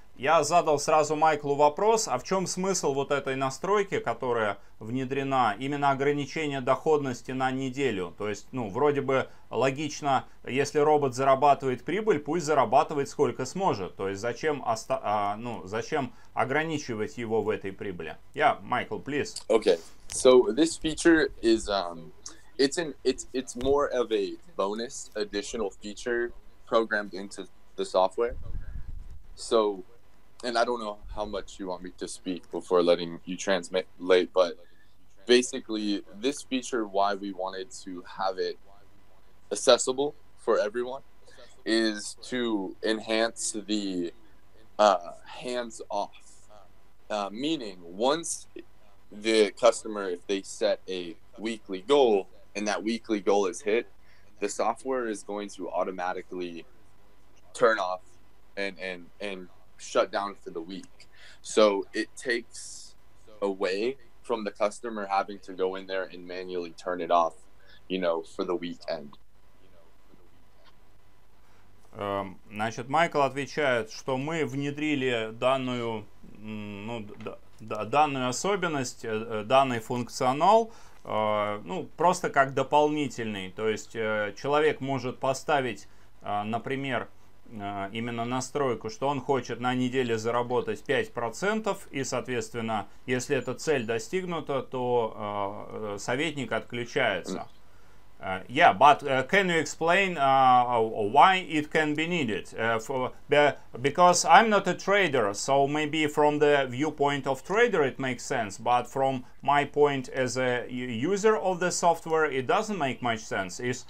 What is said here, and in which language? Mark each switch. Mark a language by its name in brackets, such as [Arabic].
[Russian] Я задал сразу Майклу вопрос, а в чем смысл вот этой настройки, которая внедрена, именно ограничение доходности на неделю? То есть, вроде бы логично, если робот зарабатывает прибыль, пусть зарабатывает сколько сможет. То есть, зачем ограничивать его в этой прибыли? [English] Майкл, please. Okay, so this feature is, it's more of a bonus, additional feature programmed into the software. So... And I don't know how much you want me to speak before letting you translate, but basically this feature, why we wanted to have it accessible for everyone is to enhance the hands-off Meaning, once the customer, if they set a weekly goal and that weekly goal is hit, the software is going to automatically turn off and shut down for the week. So it takes away from the customer having to go in there and manually turn it off, you know, for the weekend. [Russian] Значит, Майкл отвечает, что мы внедрили данную, ну, данную особенность, данный функционал, ну, просто как дополнительный. То есть человек может поставить, например, именно настройку, что он хочет на неделе заработать 5%, и, соответственно, если эта цель достигнута, то советник отключается. [English] Yeah, but can you explain why it can be needed? Because I'm not a trader, so maybe from the viewpoint of trader it makes sense, but from my point as a user of the software, it doesn't make much sense.